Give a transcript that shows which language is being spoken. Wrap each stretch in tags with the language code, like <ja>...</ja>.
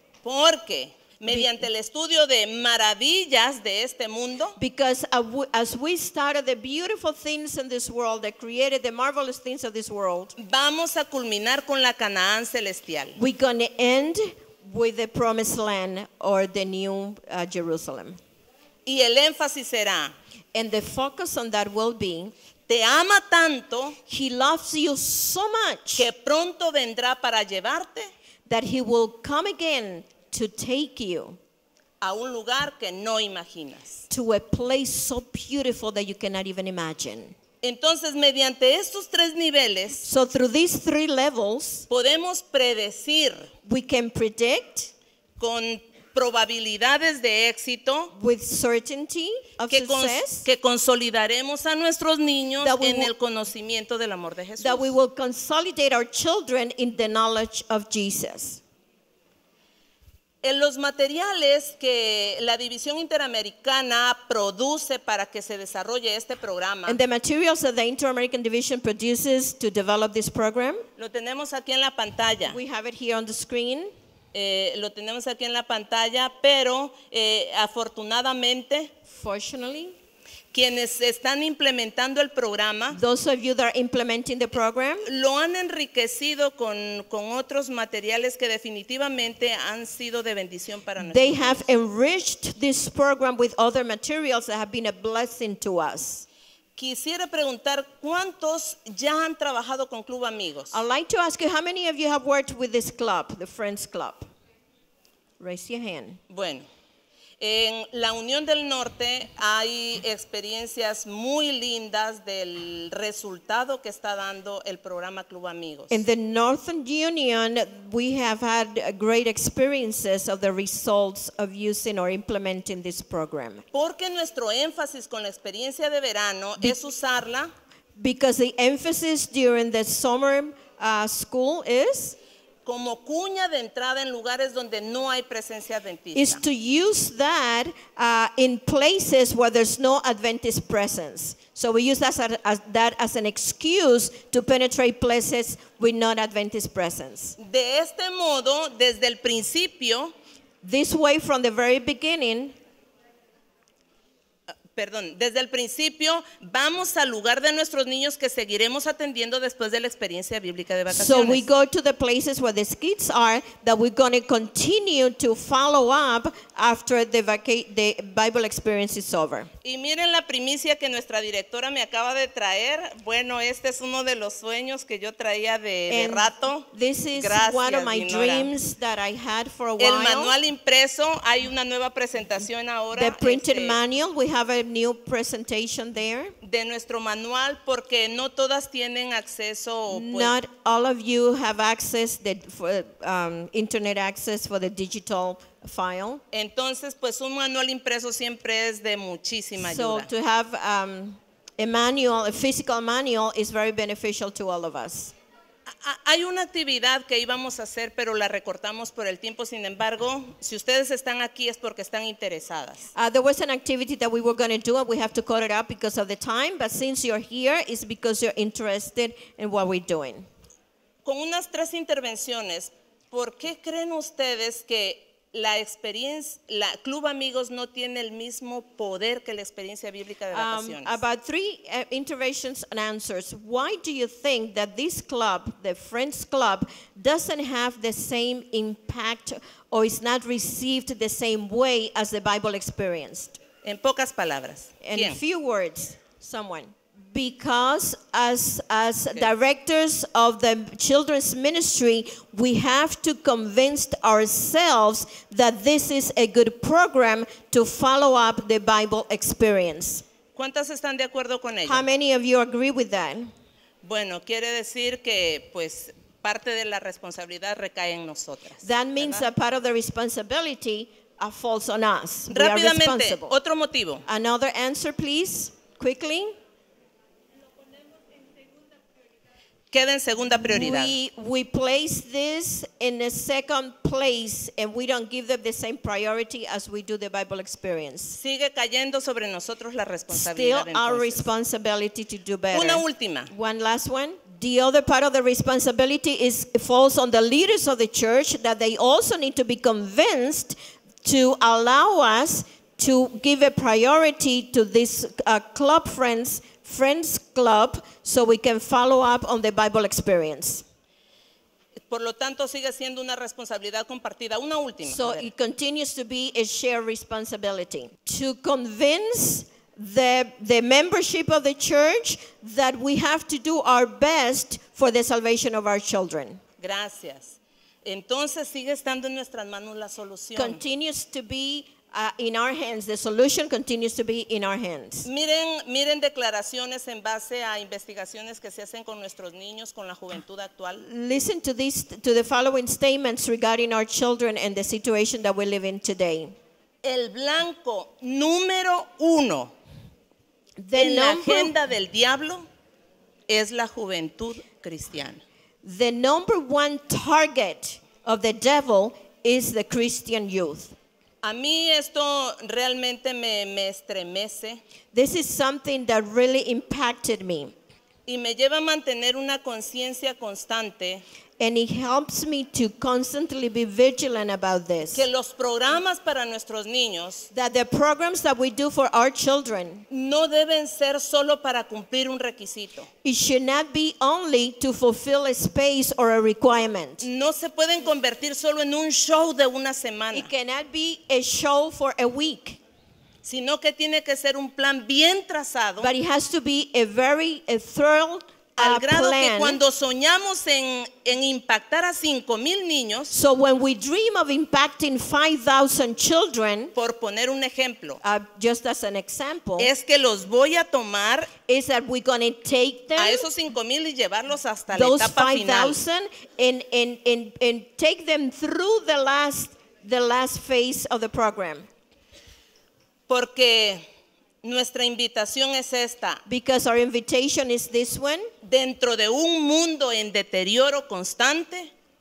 <es>Porque mediante el estudio de maravillas de este mundo,</es> <en>because as we started the beautiful things in this world that created the marvelous things of this world,</en> <es>vamos a culminar con la Canaán celestial.</es> <en>We're going to end with the promised land or the new Jerusalem.</en> <es>Y el énfasis será,</es> <en>and the focus on that will be,</en> <es>te ama tanto,</es> <en>he loves you so much,</en> <es>que pronto vendrá para llevarte,</es> <en>that he will come again to take you,</en> <es>a un lugar que no imaginas,</es> <en>to a place so beautiful that you cannot even imagine.</en> <es>Entonces, mediante estos tres niveles,</es> <en>so through these three levels,</en> <es>podemos predecir,</es> <en>we can predict,</en> <es>con probabilidades de éxito,</es> <en>with certainty of success,</en> <es>que consolidaremos a nuestros niños en el conocimiento del amor de Jesús.</es> <en>That we will consolidate our children in the knowledge of Jesus.</en> <es>En los materiales que la División Interamericana produce para que se desarrolle este programa.</es> <en>And the materials that the Inter-American Division produces to develop this program.</en> <es>Lo tenemos aquí en la pantalla.</es> <en>We have it here on the screen.</en> <es>Lo tenemos aquí en la pantalla, pero afortunadamente,</es> <en>fortunately,</en> <es>quienes están implementando el programa,</es> <en>those of you that are implementing the program,</en> <es>lo han enriquecido con otros materiales que definitivamente han sido de bendición para nosotros.</es> <en>They have enriched this program with other materials that have been a blessing to us.</en> <es>Quisiera preguntar cuántos ya han trabajado con Club Amigos.</es> <en>I'd like to ask you how many of you have worked with this club, the Friends Club. Raise your hand.</en> <es>Bueno, en la Unión del Norte hay experiencias muy lindas del resultado que está dando el programa Club Amigos.</es> <en>In the Northern Union, we have had great experiences of the results of using or implementing this program.</en> <es>Porque nuestro énfasis con la experiencia de verano es usarla.</es> <en>Because the emphasis during the summer school is</en> <es>como cuña de entrada en lugares donde no hay presencia adventista.</es> <en>Is to use that in places where there's no Adventist presence. So we use that as an excuse to penetrate places with non-Adventist presence.</en> <es>De este modo, desde el principio,</es> <en>this way from the very beginning,</en> <es>perdón, desde el principio vamos al lugar de nuestros niños que seguiremos atendiendo después de la experiencia bíblica de vacaciones.</es> <en>So we go to the places where the kids are that we're going to continue to follow up after the Bible experience is over.</en> <es>Y miren la primicia que nuestra directora me acaba de traer. Bueno, este es uno de los sueños que yo traía de rato.</es> <en>This is</en> <es>gracias,</es> <en>one of my dreams that I had for a while.</en> <es>El manual impreso, hay una nueva presentación ahora.</es> <en>The printed manual, we have a new presentation there.</en> <es>De nuestro manual, porque no todas tienen acceso.</es> <en>Not all of you have access that for internet access for the digital file.</en> <es>Entonces, pues un manual impreso siempre es de muchísima ayuda.</es> <en>So to have a manual, a physical manual, is very beneficial to all of us.</en> <es>Hay una actividad que íbamos a hacer, pero la recortamos por el tiempo. Sin embargo, si ustedes están aquí es porque están interesadas.</es> <en>There was an activity that we were going to do, and we have to cut it out because of the time. But since you're here, it's because you're interested in what we're doing.</en> <es>Con unas tres intervenciones, ¿por qué creen ustedes que la experiencia, la Club Amigos no tiene el mismo poder que la experiencia bíblica de vacaciones?</es> <en>About three interventions and answers. Why do you think that this club, the Friends Club, doesn't have the same impact or is not received the same way as the Bible experienced?</en> <es>En pocas palabras.</es> <en>In a few words, someone. Because as okay. Directors of the children's ministry, we have to convince ourselves that this is a good program to follow up the Bible experience.</en> <es>¿Cuántas están de acuerdo con ello?</es> <en>How many of you agree with that?</en> <es>Bueno, quiere decir que pues parte de la responsabilidad recae en nosotras.</es> <en>That means</en> <es>¿verdad?</es> <en>That part of the responsibility falls on us.</en> <es>Rápidamente,</es> <en>we are responsible.</en> <es>Otro motivo.</es> <en>Another answer, please, quickly.</en> <es>queda en segunda prioridad.</es> <en>We place this in a second place and we don't give them the same priority as we do the Bible experience.</en> <es>Sigue cayendo sobre nosotros la responsabilidad.</es> <en>Still</en> <es>entonces.</es> <en>Our responsibility to do better.</en> <es>Una última.</es> <en>One last one. The other part of the responsibility is falls on the leaders of the church that they also need to be convinced to allow us to give a priority to this club friends. Friends club, so we can follow up on the Bible experience.</en> <es>Por lo tanto, sigue siendo una responsabilidad compartida. Una última.</es> <en>So it continues to be a shared responsibility to convince the membership of the church that we have to do our best for the salvation of our children.</en> <es>Gracias. Entonces sigue estando en nuestras manos la solución.</es> <en>Continues to be in our hands, the solution continues to be in our hands.</en> <es>Miren declaraciones en base a investigaciones que se hacen con nuestros niños, con la juventud actual.</es> <en>Listen to this, to the following statements regarding our children and the situation that we live in today.</en> <es>El blanco número uno en la agenda del diablo es la juventud cristiana.</es> <en>The number one target of the devil is the Christian youth.</en> <es>A mí esto realmente me estremece.</es> <en>This is something that really impacted me.</en> <es>Y me lleva a mantener una conciencia constante.</es> <en>And it helps me to constantly be vigilant about this.</en> <es>Que los programas para nuestros niños,</es> <en>that the programs that we do for our children,</en> <es>no deben ser solo para cumplir un requisito.</es> <en>It should not be only to fulfill a space or a requirement.</en> <es>No se pueden convertir solo en un show de una semana.</es> <en>It cannot be a show for a week.</en> <es>Sino que tiene que ser un plan bien trazado.</es> <en>But it has to be a thorough plan.</en> <es>Al grado</es> <en>plan.</en> <es>Que cuando soñamos en impactar a 5,000 niños,</es> <en>so when we dream of impacting 5,000 children,</en> <es>por poner un ejemplo,</es> <en>just as an example,</en> <es>es que los voy a tomar,</es> <en>is that we're gonna take them,</en> <es>a esos 5,000 y llevarlos hasta la etapa 5,000 final,</es> <en>and take them through the last phase of the program,</en> <es>porque nuestra invitación es esta.</es> <en>Because our invitation is this one.</en> <es>Dentro de un mundo en deterioro constante.</es>